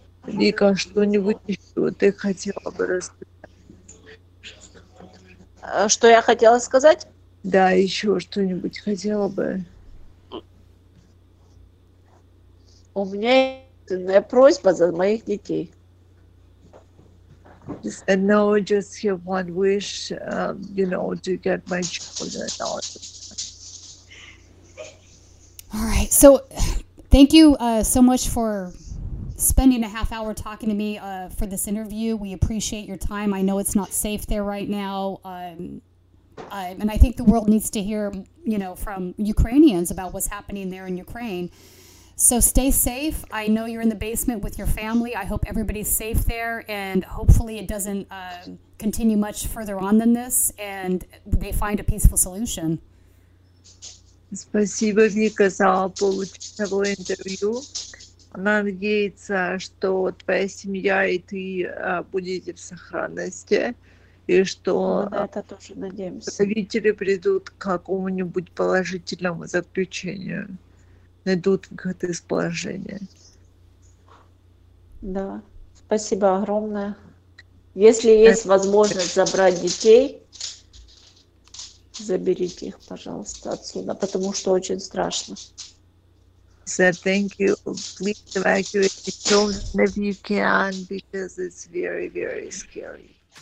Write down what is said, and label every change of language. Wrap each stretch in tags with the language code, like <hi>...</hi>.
<ru>Вика, что-нибудь еще ты хотела бы рассказать? Что я хотела сказать? Да, еще что-нибудь хотела бы. У меня есть просьба за моих детей.</ru> <en>And no, just have one wish, you know, to get my children out. All right. So thank you so much for spending a half hour talking to me for this interview. We appreciate your time. I know it's not safe there right now. And I think the world needs to hear, you know, from Ukrainians about what's happening there in Ukraine. So stay safe. I know you're in the basement with your family. I hope everybody's safe there. And hopefully it doesn't continue much further on than this. And they find a peaceful solution.</en> <ru>Спасибо, Вика, за полученное интервью. Она надеется, что твоя семья и ты будете в сохранности, и что правители придут к какому-нибудь положительному заключению, найдут выход из положения. Да, спасибо огромное. Если есть возможность забрать детей... Заберите их, пожалуйста, отсюда, потому что очень страшно.</ru> <en>Sir, thank you. Please evacuate the children if you can, because it's very, very scary.</en>